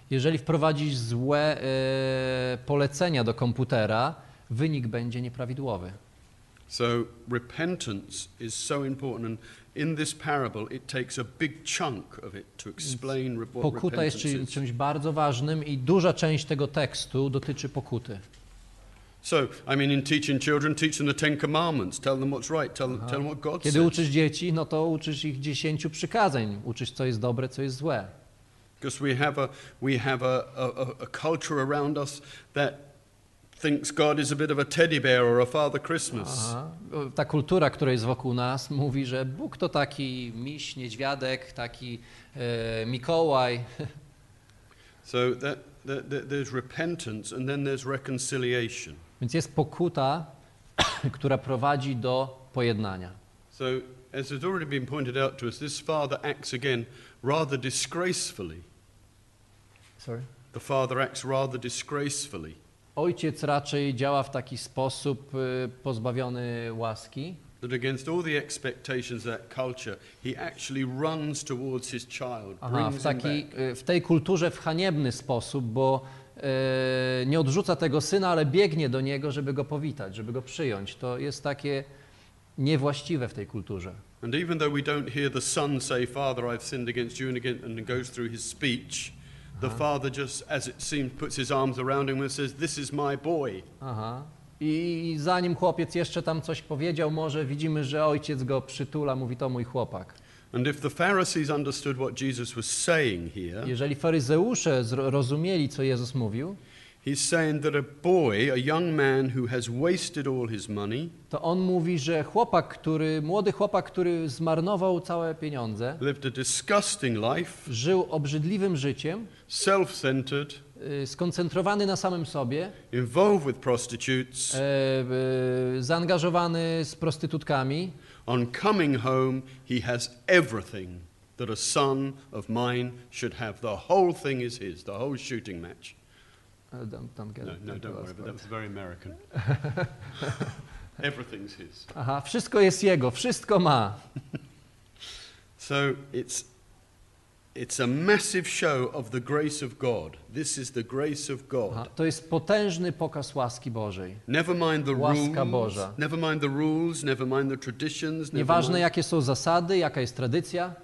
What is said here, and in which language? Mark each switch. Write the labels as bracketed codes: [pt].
[pl] Jeżeli wprowadzisz złe polecenia do komputera, wynik będzie nieprawidłowy. [en] So repentance is so important, and in this parable it takes a big chunk of it to explain what repentance is. [pl] Pokuta jest czymś bardzo ważnym i duża część tego tekstu dotyczy pokuty. [en] So, I mean, in teaching children, teach them the Ten Commandments. Tell them what's right. Tell them what God [pl] Kiedy [en] says. [pl] Uczysz dzieci, no to uczysz ich 10 przykazań. Uczysz, co jest dobre, co jest złe. [en] Because we have a culture around us that thinks God is a bit of a teddy bear or a Father Christmas. [pl] Ta kultura, która jest wokół nas, mówi, że Bóg to taki miś, niedźwiadek, taki Mikołaj. [en] So there's repentance and then there's reconciliation. [pl] Więc jest pokuta, która prowadzi do pojednania. [en] So as has already been pointed out to us, this father acts again rather disgracefully. Sorry. The father acts rather disgracefully. [pl] Ojciec raczej działa w taki sposób pozbawiony łaski. [en] That against all the expectations of that culture, he actually runs towards his child, brings him back. [pl] W tej kulturze w haniebny sposób, bo nie odrzuca tego syna, ale biegnie do niego, żeby go powitać, żeby go przyjąć. To jest takie niewłaściwe w tej kulturze. [en] And even though we don't hear the son say, "Father, I've sinned against you," and again, and goes through his speech. The father just, as it seems, puts his arms around him and says, "This is my boy." Aha. [pl] I zanim chłopiec jeszcze tam coś powiedział, może widzimy, że ojciec go przytula, mówi, to mój chłopak. [en] And if the Pharisees understood what Jesus was saying here, [pl] jeżeli faryzeusze rozumieli, co Jezus mówił, [en] he's saying that a boy, a young man who has wasted all his money, [pl] to on mówi, że chłopak, który, młody chłopak, który zmarnował całe pieniądze, [en] lived a disgusting life, [pl] żył obrzydliwym życiem, [en] self-centered, [pl] skoncentrowany na samym sobie, [en] involved with prostitutes, [pl] zaangażowany z prostytutkami, [en] on coming home he has everything that a son of mine should have. The whole thing is his, the whole shooting match. Don't worry, but that was very American. Everything's his. [pl] Aha, wszystko jest jego, wszystko ma. [en] So it's a massive show of the grace of God. This is the grace of God. Aha, [pl] to jest potężny pokaz łaski Bożej. [en] Never mind the [pl] łaska [en] rules. [pl] Boża. [en] Never mind the rules. Never mind the traditions. [pl] Nieważne jakie są zasady, jaka jest tradycja.